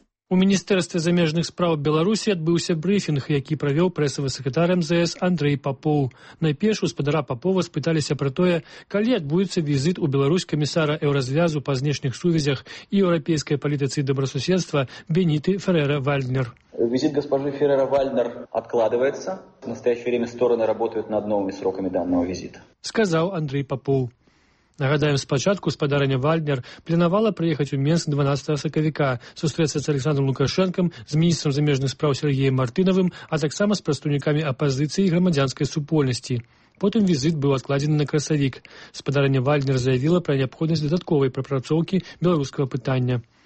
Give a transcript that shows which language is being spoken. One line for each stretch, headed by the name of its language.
Belarusian: У Міністэрстве замежных справ Беларусі адбыўся брыфінг, які правёў прэсавы сакратар МЗС Андрэй Папоў. Найперш гаспадара Папова спыталіся пра тое, калі адбудзецца візіт у Беларусь камісара еўразвязу па знешніх сувязях і еўрапейскай палітыцы добрасуседства Беніты Ферэра-Вальднер.
Russian: Визит госпожи Феррера-Вальнер откладывается. В настоящее время стороны работают над новыми сроками данного визита. Сказал Андрей Попов.
Belarusian: Нагадаем, спачатку спадарыня Вальднер планавала прыехаць у Менск 12 сакавіка, сустрэцца з Александрам Лукашэнкам, з міністрам замежных справ Сергеем Мартынавым, а таксама з прадстаўнікамі апазіцыі і грамадзянскай супольнасці. Потым візіт быў адкладзены на красавік. Спадарыня Вальднер заявіла пра неабходнасць дадатковай прапрацоўкі беларускага пытання.